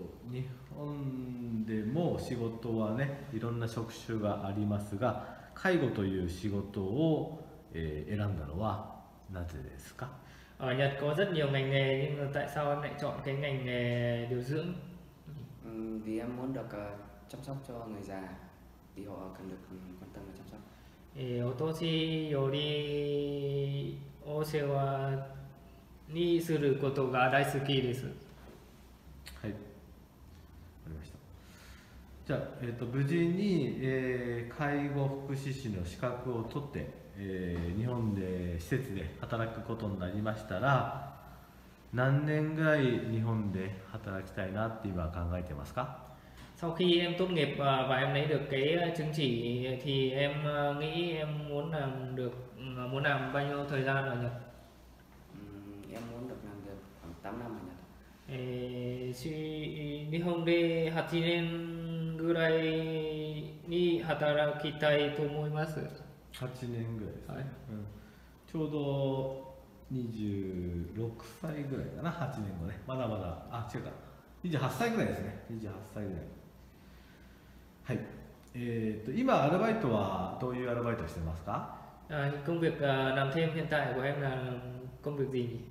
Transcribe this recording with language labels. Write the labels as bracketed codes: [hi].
[ja] 日本でも仕事はね、いろんな職種がありますが、介護という仕事を、選んだのはなぜですか？ [vi] ở Nhật có rất nhiều ngành nghề nhưng mà tại sao em lại chọn cái ngành nghề điều dưỡng? Vì em muốn được chăm sóc cho người già, vì họ cần được quan tâm và chăm sóc. [ja] お年寄りお世話にすることが大好きです。はい、わかりました。じゃあ、無事に、介護福祉士の資格を取って、日本で施設で働くことになりましたら、何年ぐらい日本で働きたいなって今考えてますか？ [vi] Sau khi em tốt nghiệp và em lấy được cái chứng chỉ thì em nghĩ em muốn làm được muốn làm bao nhiêu thời gian ở Nhật? Em muốn được làm được khoảng 8 năm ở Nhật. [ja] 日本で8年ぐらいに働きたいと思います。 8年ぐらいですね、はい、うん、ちょうど26歳ぐらいかな。 8年後ね、まだまだ、あ、違うか、28歳ぐらいですね。28歳ぐらい。はい、今アルバイトはどういうアルバイトをしてますか？ [vi] công việc làm thêm hiện tại của em là công việc gì?